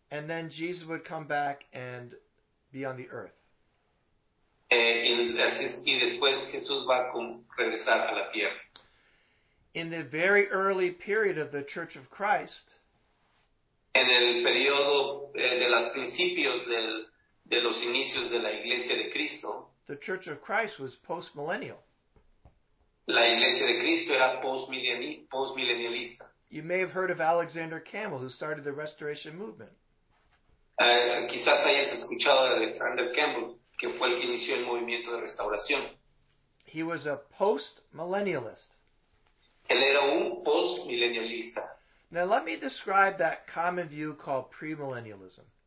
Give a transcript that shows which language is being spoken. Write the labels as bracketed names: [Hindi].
[English] And then Jesus would come back and be on the earth. [Spanish] Y después Jesús va a regresar a la tierra. [English] In the very early period of the Church of Christ, [Spanish] en el periodo de los principios de los inicios de la Iglesia de Cristo, [English] the Church of Christ was post-millennial. [Spanish] La Iglesia de Cristo era post-millennialista. [English] You may have heard of Alexander Campbell, who started the Restoration Movement. [Spanish] Quizás hayas escuchado de Alexander Campbell, que fue el que inició el movimiento de restauración. [English] He was a post-millennialist. [Spanish] Él era un post-millennialista. [English] Now let me describe that common view called premillennialism.